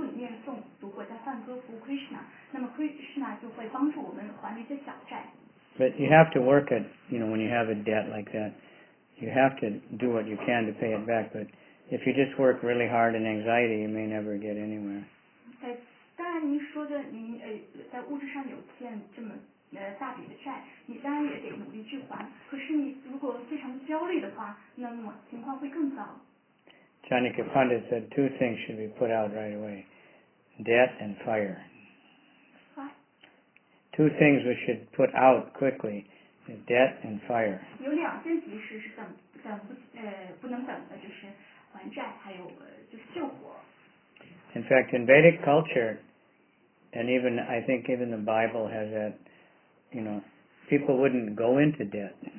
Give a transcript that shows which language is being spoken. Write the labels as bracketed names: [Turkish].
[Chinese] 我们当然都有欠债，我们有欠世俗的各种人的债，还有半世人的债。但是如果我们能够投入更多的精力去念诵，专注于念诵，读佛在梵歌赋 Krishna， 那么 Krishna 就会帮助我们还这些小债。 [English] But you have to work at, you know, when you have a debt like that, you have to do what you can to pay it back. But if you just work really hard in anxiety, you may never get anywhere. [Chinese] 当然您说的您在物质上有欠这么大笔的债，你当然也得努力去还。可是你如果非常焦虑的话，那么情况会更糟。 [English] Chanika Pandit said two things should be put out right away, debt and fire. Two things we should put out quickly, debt and fire. In fact, in Vedic culture, and even I think even the Bible has that, you know, people wouldn't go into debt.